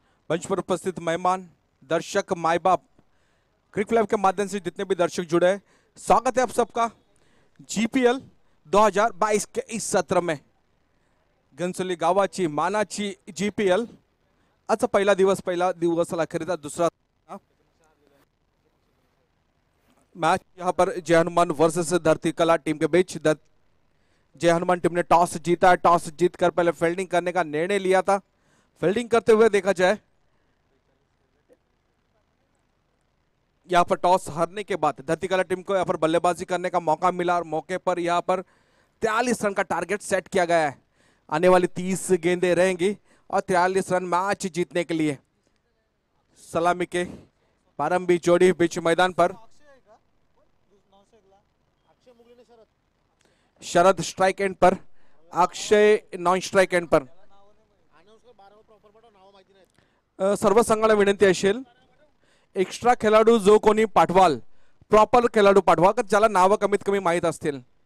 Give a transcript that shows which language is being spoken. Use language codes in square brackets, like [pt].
[hi] मंच पर उपस्थित मेहमान, दर्शक, माई बाप, क्रिक लाइव के माध्यम से जितने भी दर्शक जुड़े हैं, स्वागत है आप सबका जीपीएल 2022 के इस सत्र में. [mr] गनसोली गावाची मानाची जीपीएल आज पहला दिवस, पहला दिवस अखेरीचा दुसरा [hi] मैच यहां पर जय हनुमान वर्सेस धरती कला टीम के बीच। जय हनुमान टीम ने टॉस जीता है, टॉस जीतकर पहले फील्डिंग करने का निर्णय लिया था। फील्डिंग करते हुए देखा जाए यहां पर टॉस हारने के बाद धरती कला टीम को यहां पर बल्लेबाजी करने का मौका मिला और मौके पर यहां पर 43 रन का टारगेट सेट किया गया है। आने वाली 30 गेंदें रहेंगी और 43 रन मैच जीतने के लिए। सलामी के प्रारंभिक जोड़ी बीच मैदान पर, शरद स्ट्राइक एंड पर, अक्षय नॉन स्ट्राइक एंड पर। [mr] सर्व संघाला विनंती असेल एक्स्ट्रा खेलाडू जो कोणी पाठवाल, प्रॉपर खेलाडू पाठवा का ज्याला नाव कमीत कमी माहित असतील।